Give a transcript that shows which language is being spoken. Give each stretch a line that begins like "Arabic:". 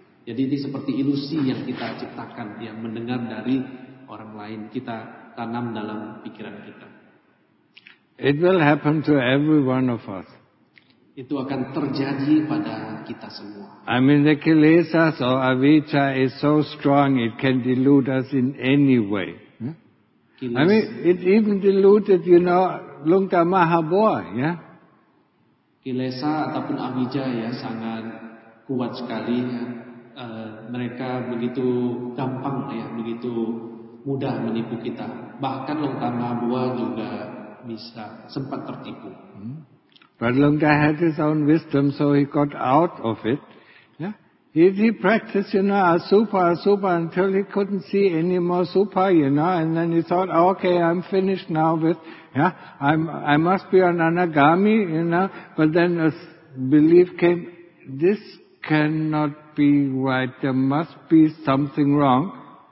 Indonesian: Jadi ini seperti ilusi yang kita ciptakan, yang mendengar dari orang lain, kita tanam dalam pikiran kita.
English: It will happen to every one of us.
Indonesian: Itu akan terjadi pada kita semua.
English: I mean, the kilesas or avicca is so strong, it can delude us in any way. I mean, it even deluded, you know, Lungta Mahabua, yeah?
Indonesian: Kilesa ataupun avicca, ya, sangat kuat sekali. Mereka begitu gampang, ya, begitu mudah menipu kita. Bahkan Lungta Mahabua juga bisa sempat tertipu.
English: But Lungta had his own wisdom, so he got out of it. Yeah. He practiced, you know, asupa until he couldn't see any more supa, you know, and then he thought, oh, okay, I'm finished now with, yeah, I must be an anagami, you know, but then a belief came, this cannot be right, there must be something wrong.